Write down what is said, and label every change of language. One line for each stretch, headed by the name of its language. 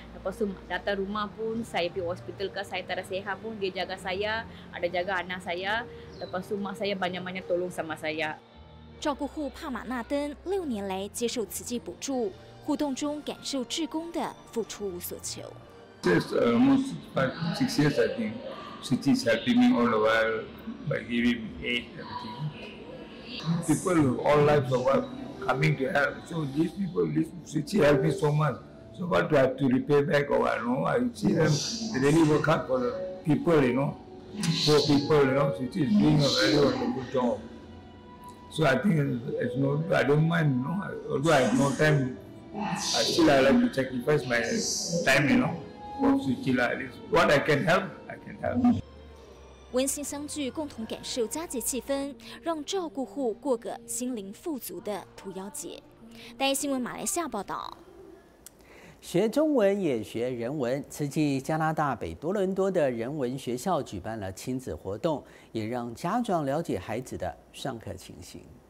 Malay: Lepas tu datang rumah pun saya pergi hospital ke, saya tak sihat pun dia jaga saya, ada jaga anak saya. Lepas tu mak saya banyak-banyak tolong sama saya.
Chinese: 照顾户帕玛纳登六年来接受慈济补助，互动中感受志工的付出无所求。
English: Yes, almost six years, I think. City is helping me all the while by giving me aid and everything. People of all lives are coming to help. So these people, this city helped me so much. So what do I have to repay back? Or I don't know. I see them really work hard for the people, you know. Poor people, you know. City is doing a very good job. So I think it's no, I don't mind, you know. Although I have no time, I still I like to sacrifice my time, you know. For city, like this. What I can help.
Chinese: 温馨相聚，共同感受佳节气氛，让照顾户过个心灵富足的土妖节。台新闻马来西亚报道。学中文也学人文，慈济加拿大北多伦多的人文学校举办了亲子活动，也让家长了解孩子的上课情形。